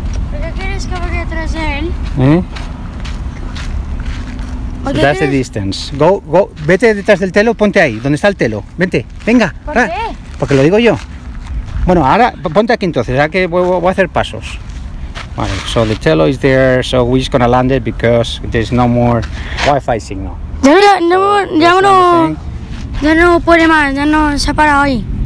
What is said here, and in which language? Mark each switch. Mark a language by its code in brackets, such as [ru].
[es] ¿Por qué quieres que vaya detrás de él? [en] So that's the distance. [es] Go, vete detrás del Tello, ponte ahí, donde está el Tello. Vente, venga. ¿Por qué? Porque lo digo yo. Bueno, ahora ponte aquí entonces, ya que voy a hacer pasos. [en] Vale, so the Tello is there, so we're just gonna land it because there's no more Wi-Fi signal. [es] Ya no puede más, se ha parado ahí.